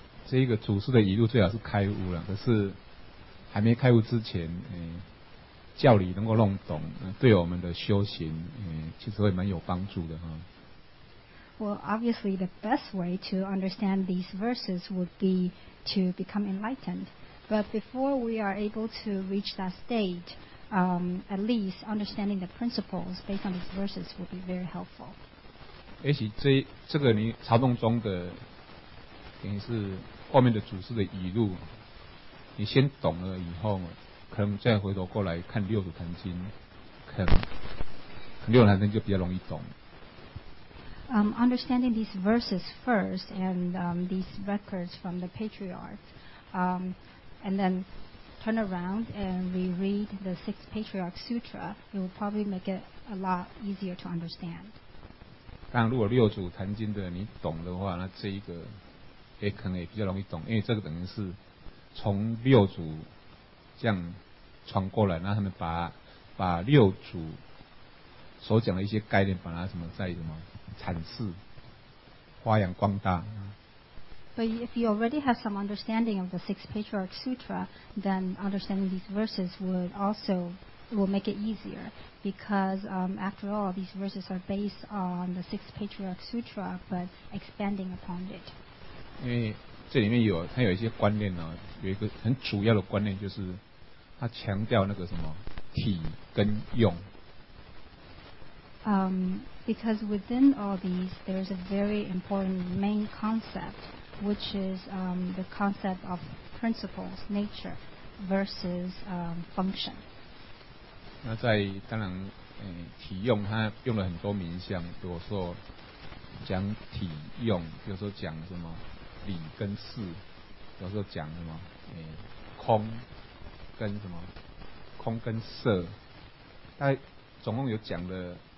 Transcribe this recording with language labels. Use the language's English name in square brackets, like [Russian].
[Chinese] 这一个祖师的语录最好是开悟了，可是还没开悟之前，教理能够弄懂，对我们的修行，其实会蛮有帮助的哈。 [English] Well, obviously, the best way to understand these verses would be to become enlightened. But before we are able to reach that state, at least understanding the principles based on these verses would be very helpful. [Chinese] 也许这个你朝洞中的。等于是外面的祖师的语录，你先懂了以后，可能再回头过来看六祖坛经，可能六祖坛经就比较容易懂。 [English] Understanding these verses first and these records from the patriarch, and then turn around and reread the Six Patriarch Sutra, it will probably make it a lot easier to understand. [Chinese] 但如果六祖坛经的你懂的话，那这一个。也可能也比较容易懂，因为这个等于是从六祖这样传过来，那他们把六祖所讲的一些概念，把它什么再什么阐释、发扬光大。 [English] But if you already have some understanding of the Six Patriarch Sutra, then understanding these verses would also will make it easier, because after all, these verses are based on the Six Patriarch Sutra, but expanding upon it. [Chinese] 因为这里面有它有一些观念呢、啊，有一个很主要的观念就是，它强调那个什么体跟用。 [English] Because within all these, there is a very important main concept, which is the concept of principles, nature, versus function. [Chinese] 那在当然，体用它用了很多名相，比如说讲体用，比如说讲什么理跟事，比如说讲什么空跟什么空跟色，它总共有讲的。